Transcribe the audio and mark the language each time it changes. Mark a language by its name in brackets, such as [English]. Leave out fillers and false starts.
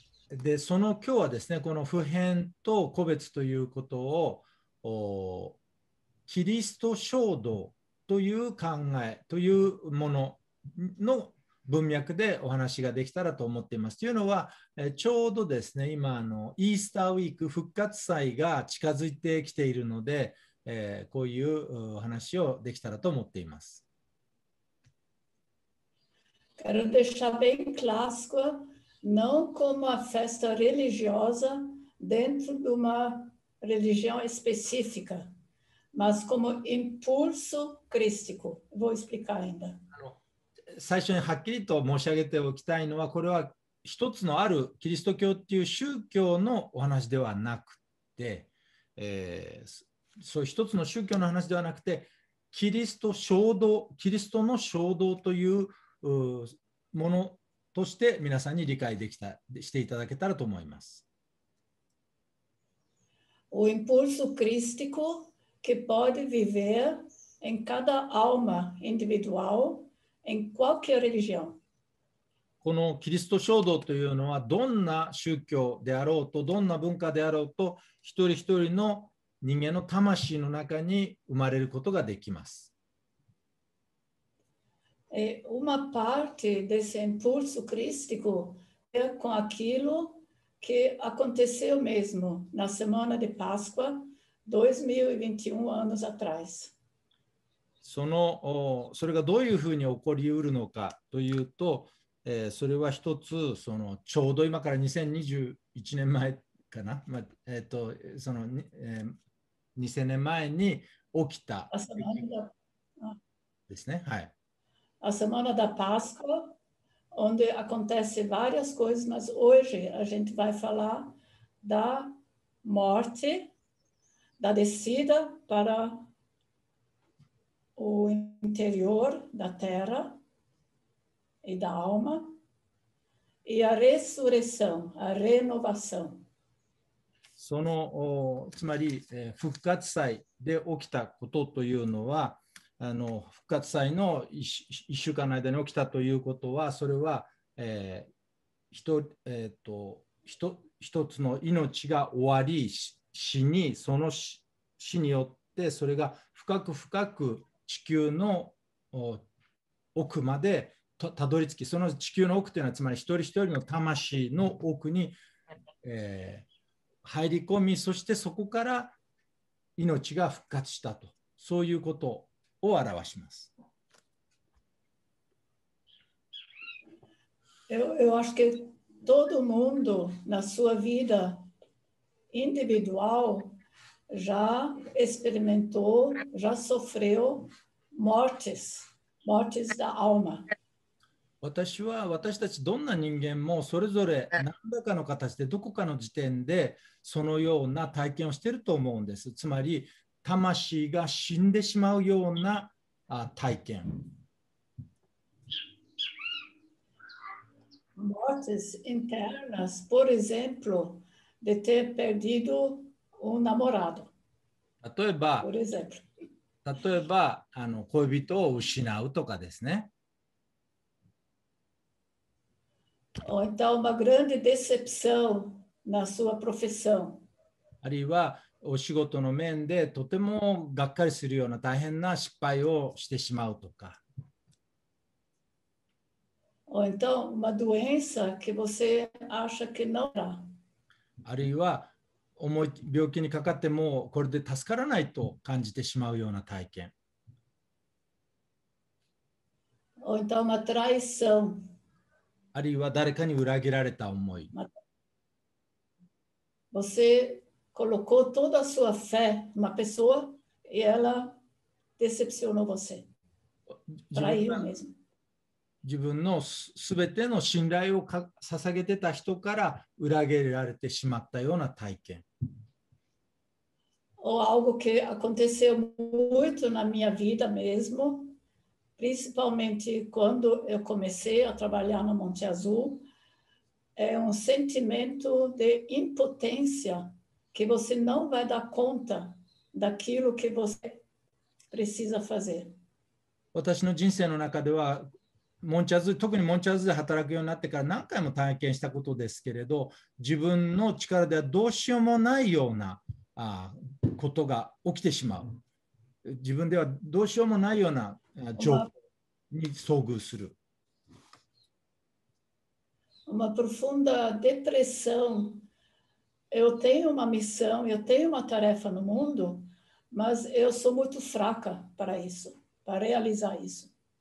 [Japanese] で、その今日はですね、この普遍と個別ということをキリスト衝動という考えというものの文脈でお話ができたらと思っています。というのは、ちょうどですね、今イースターウィーク復活祭が近づいてきているので、こういうお話をできたらと思っています。 [Portuguese] Quero deixar bem claro, não como uma festa religiosa dentro de uma religião específica, mas como impulso crístico. Vou explicar ainda. [Japanese] 最初にはっきりと申し上げておきたいのは、これは一つのあるキリスト教っていう宗教のお話ではなくて、そう一つの宗教の話ではなくて、キリスト衝動、キリストの衝動というものとして皆さんに理解できたしていただけたらと思います。 [Portuguese] O impulso crístico que pode viver em cada alma individual, em qualquer religião. [Japanese] このキリスト衝動というのは、どんな宗教であろうと、どんな文化であろうと、一人一人の人間の魂の中に生まれることができます。 [Portuguese] Uma parte desse impulso crístico é com aquilo que aconteceu mesmo na semana de Páscoa, 2021 anos atrás. [Japanese] それがどういうふうに起こりうるのかというと、それは一つ、ちょうど今から2021年前かな、2000年前に起きた。 [Portuguese] A semana da... [Japanese] ですね、はい。 [Portuguese] A semana da Páscoa, onde acontecem várias coisas, mas hoje a gente vai falar da morte, da descida para o interior da terra e da alma, e a ressurreição, a renovação. [Japanese] つまり、復活祭で起きたことというのは、復活祭の1週間の間に起きたということは、それは一つの命が終わり、死に、その死によってそれが深く深く地球の奥までたどり着き、その地球の奥というのは、つまり一人一人の魂の奥に、入り込み、そしてそこから命が復活したと、そういうことを表します。 [Portuguese] Eu acho que todo mundo na sua vida individual já experimentou, já sofreu mortes da alma. [Japanese] 私は私たちどんな人間もそれぞれ何らかの形でどこかの時点でそのような体験をしていると思うんです。つまり魂が死んでしまうような体験。 [Portuguese] Mortes internas, por exemplo, de ter perdido um namorado. [Japanese] 例えば恋人を失うとかですね。 [Portuguese] Ou então uma grande decepção na sua profissão. [Japanese] あるいはお仕事の面でとてもがっかりするような大変な失敗をしてしまうとか。 [Portuguese] Ou então uma doença que você acha que não era. [Japanese] あるいは重い病気にかかってもこれで助からないと感じてしまうような体験。 [Portuguese] Ou então uma traição. [Japanese] あるいは誰かに裏切られた思い。 [Portuguese] Você colocou toda a sua fé numa pessoa e ela decepcionou você. Traiu mesmo. [Japanese] 自分のすべての信頼を捧げてた人から裏切られてしまったような体験。 [Portuguese] Ou algo que aconteceu muito na minha vida mesmo. Principalmente quando eu comecei a trabalhar no Monte Azul, é sentimento de impotência que você não vai dar conta daquilo que você precisa fazer. [Japanese] 私の人生の中では、モンチアズ、特にモンチアズで働くようになってから何回も体験したことですけれど、自分の力ではどうしようもないようなことが起きてしまう。自分ではどうしようもないような状況に遭遇する。 [Portuguese] Uma profunda depressão. Eu tenho uma missão, eu tenho uma tarefa no mundo, mas eu sou muito fraca para isso, para realizar isso.